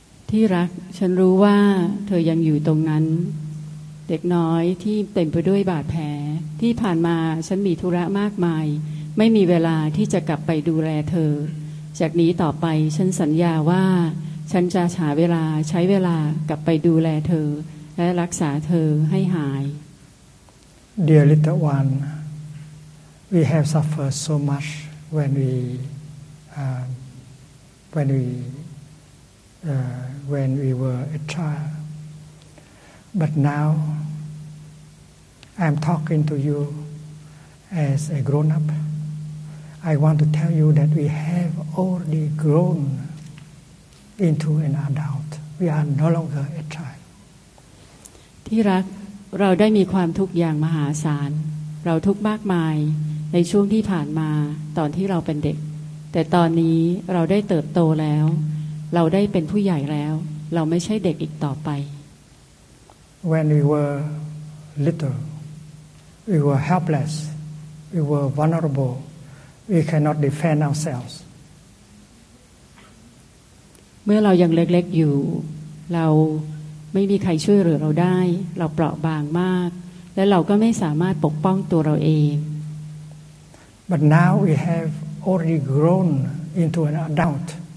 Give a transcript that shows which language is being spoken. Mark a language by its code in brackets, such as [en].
[th] ที่รักฉันรู้ว่าเธอยังอยู่ตรงนั้นเด็กน้อยที่เต็มไปด้วยบาดแผลที่ผ่านมาฉันมีธุระมากมายไม่มีเวลาที่จะกลับไปดูแลเธอจากนี้ต่อไปฉันสัญญาว่าฉันจะหาเวลาใช้เวลากลับไปดูแลเธอและรักษาเธอให้หาย [en] Dear little one we have suffered so much when we were a childBut now, I'm talking to you as a grown-up. I want to tell you that we have already grown into an adult. we are no longer a child. [th] ที่รักเราได้มีความทุกข์อย่างมหาศาลเราทุกข์มากมายในช่วงที่ผ่านมาตอนที่เราเป็นเด็กแต่ตอนนี้เราได้เติบโตแล้วเราได้เป็นผู้ใหญ่แล้วเราไม่ใช่เด็กอีกต่อไป [en] When we were little we were helpless we were vulnerable we cannot defend ourselves [th] เมื่อเรายังเล็กๆอยู่เราไม่มีใครช่วยเหลือเราได้เราเปราะบางมากและเราก็ไม่สามารถปกป้องตัวเราเอง [en] But now we have already grown into an adult.